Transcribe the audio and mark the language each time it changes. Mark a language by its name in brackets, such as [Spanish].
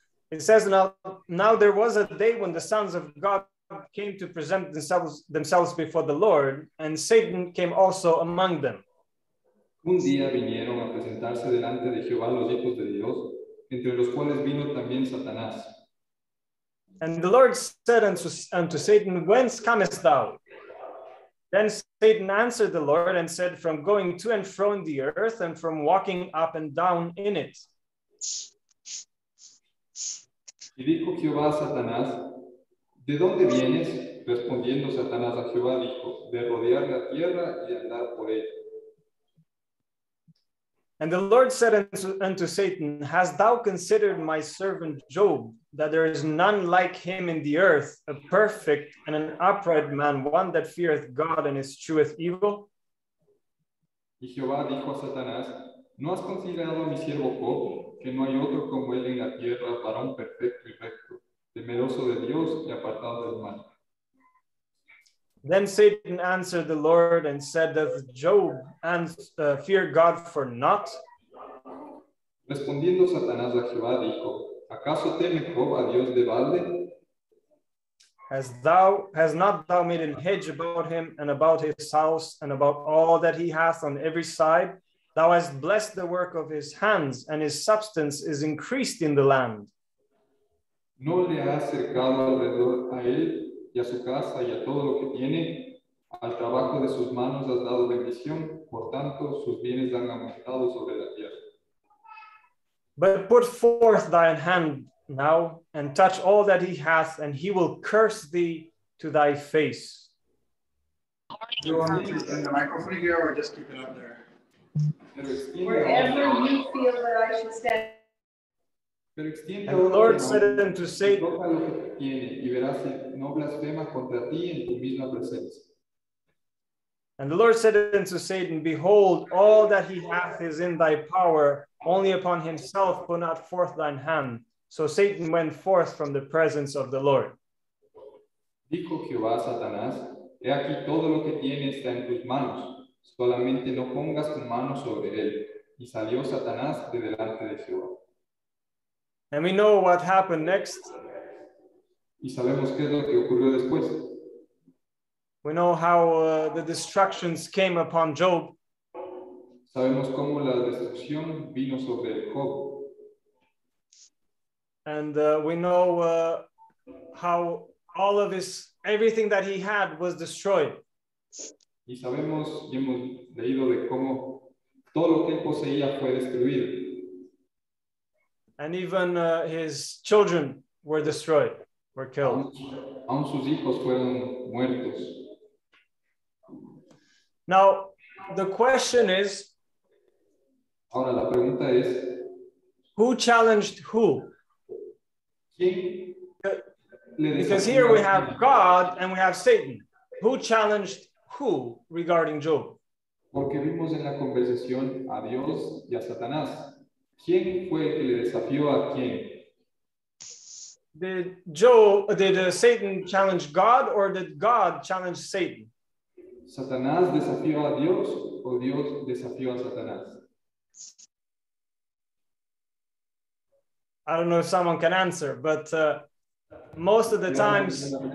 [English] it says, now there was a day when the sons of God came to present themselves before the Lord, and Satan came also among them. [Spanish] Un día vinieron a presentarse delante de Jehová los hijos de Dios, entre los cuales vino también Satanás. [English] And the Lord said unto Satan, whence comest thou? Then Satan answered the Lord and said, from going to and fro in the earth and from walking up and down in it. [Spanish] Y dijo Jehová a Satanás, ¿de dónde vienes? Respondiendo Satanás a Jehová, dijo, de rodear la tierra y andar por ella. [English] And the Lord said unto Satan, hast thou considered my servant Job, that there is none like him in the earth, a perfect and an upright man, one that feareth God and escheweth evil? [Spanish] Y Jehová dijo a Satanás, ¿no has considerado a mi siervo Job, que no hay otro como él en la tierra, varón perfecto y recto, temeroso de Dios y apartado del mal? [English] Then Satan answered the Lord and said, "Does Job fear God for naught?" [Spanish] Respondiendo Satanás a Jehová dijo, ¿Acaso teme Job a Dios de balde? [English] Has not thou made an hedge about him and about his house and about all that he hath on every side? Thou hast blessed the work of his hands, and his substance is increased in the land. [Spanish] ¿No le has cercado alrededor a él y a su casa y a todo lo que tiene? Al trabajo de sus manos has dado bendición, por tanto sus bienes han aumentado sobre la tierra. [English] But put forth thine hand now, and touch all that he hath, and he will curse thee to thy face. Do you want to turn the microphone here, or just keep it up there? Wherever you feel that I should stand. And the Lord said unto Satan, [Spanish] toca lo que tiene, y verás si no blasfemas contra ti en tu misma presencia. [English] And the Lord said unto Satan, Behold, all that he hath is in thy power, only upon himself put not forth thine hand. So Satan went forth from the presence of the Lord. [Spanish] Dijo Jehová a Satanás, he aquí todo lo que tienes está en tus manos, solamente no pongas tu mano sobre él. Y salió Satanás de delante de Jehová. [English] And we know what happened next. [Spanish] Y sabemos qué es lo que ocurrió después. [English] We know how the destructions came upon Job. [Spanish] Sabemos cómo la destrucción vino sobre Job. [English] And we know how all of his, everything that he had was destroyed. [Spanish] Y sabemos, y hemos leído de cómo todo lo que poseía fue destruido. [English] And even his children were destroyed, were killed. [Spanish] Aún sus hijos fueron muertos. [English] Now, the question is, [Spanish] ahora la pregunta es, [English] who challenged who? Because here we have God and we have Satan. Who challenged who regarding Job? [Spanish] Porque vimos en la conversación a Dios y a Satanás. ¿Quién fue el que le desafió a quién? [English] Did Satan challenge God, or did God challenge Satan? [Spanish] ¿Satanás desafió a Dios o Dios desafió a Satanás? [English] I don't know if someone can answer, but most of the times,